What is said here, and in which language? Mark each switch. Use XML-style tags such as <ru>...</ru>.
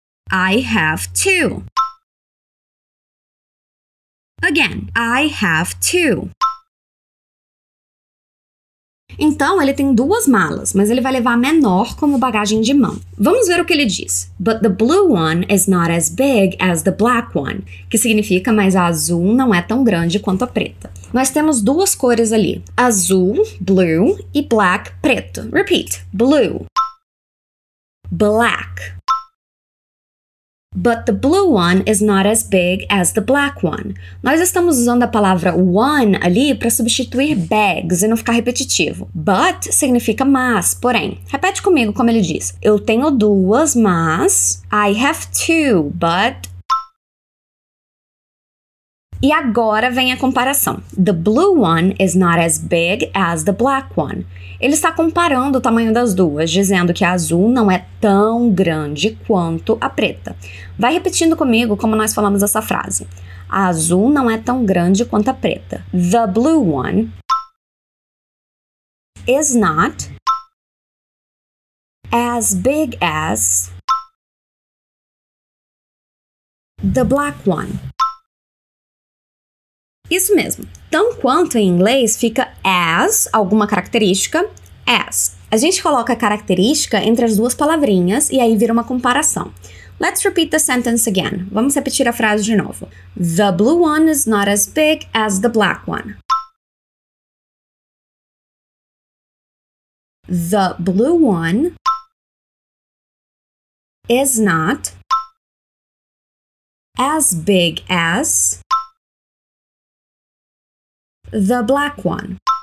<en>I have two. Again, I have two.</en> <pt>Então, ele tem duas malas, mas ele vai levar a menor como bagagem de mão. Vamos ver o que ele diz.</pt> <en>But the blue one is not as big as the black one.</en> <pt>Que significa, mas a azul não é tão grande quanto a preta. Nós temos duas cores ali. Azul, blue, e black, preto. Repeat. Blue. Black.</pt> <en>But the blue one is not as big as the black one.</en> <pt>Nós estamos usando a palavra one ali para substituir bags e não ficar repetitivo. But significa mas, porém. Repete comigo como ele diz. Eu tenho duas, mas...</pt> <en>I have two, but...</en> <pt>E agora vem a comparação.</pt> <en>The blue one is not as big as the black one.</en> <pt>Ele está comparando o tamanho das duas, dizendo que a azul não é tão grande quanto a preta. Vai repetindo comigo como nós falamos essa frase. A azul não é tão grande quanto a preta.</pt> <en>The blue one is not as big as the black one.</en> <pt>Isso mesmo. Tão quanto em inglês fica as, alguma característica, as. A gente coloca a característica entre as duas palavrinhas e aí vira uma comparação.</pt> <en>Let's repeat the sentence again.</en> <pt>Vamos repetir a frase de novo.</pt> <en>The blue one is not as big as the black one. The blue one is not as big as the black one.</en>